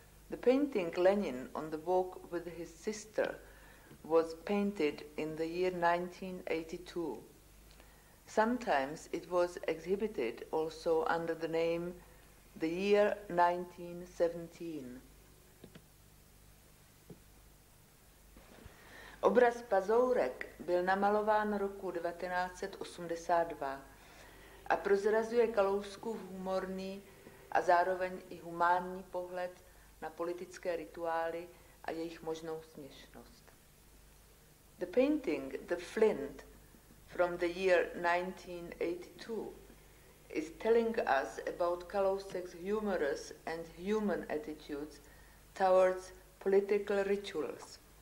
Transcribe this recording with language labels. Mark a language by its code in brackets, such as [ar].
[en] The painting Lenin on the walk with his sister was painted in the year 1982. Sometimes it was exhibited also under the name The Year 1917. [cs] Obraz Pazourek byl namalován roku 1982 a prozrazuje Kalouskův humorný a zároveň i humánní pohled na politické rituály a jejich možnou směšnost. [en] The painting The Flint from the year 1982 is telling us about Kalousek's humorous and human attitudes towards political rituals.